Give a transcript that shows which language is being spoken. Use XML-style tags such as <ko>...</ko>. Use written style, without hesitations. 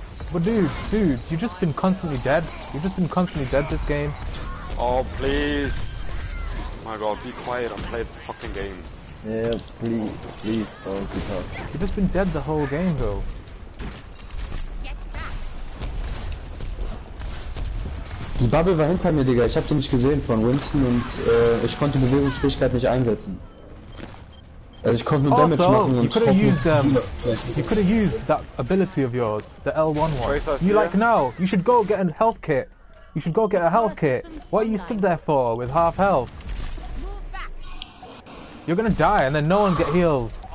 <en>But dude, you've just been constantly dead. You've just been constantly dead this game. Oh, please. My god, be quiet and play the fucking game. Yeah, please, don't be tough. You've just been dead the whole game, though.</en> <de>Die Bubble war hinter mir, Digga. Ich hab die nicht gesehen von Winston und ich konnte die Bewegungsfähigkeit nicht einsetzen. Also ich konnte nur Damage machen und</de> <en>you could have used you could have used that ability of yours, the L1 one. You like now? You should go get a health kit. You should go get a health kit. What are you stood there for with half health? You're gonna die and then no one get heals.</en>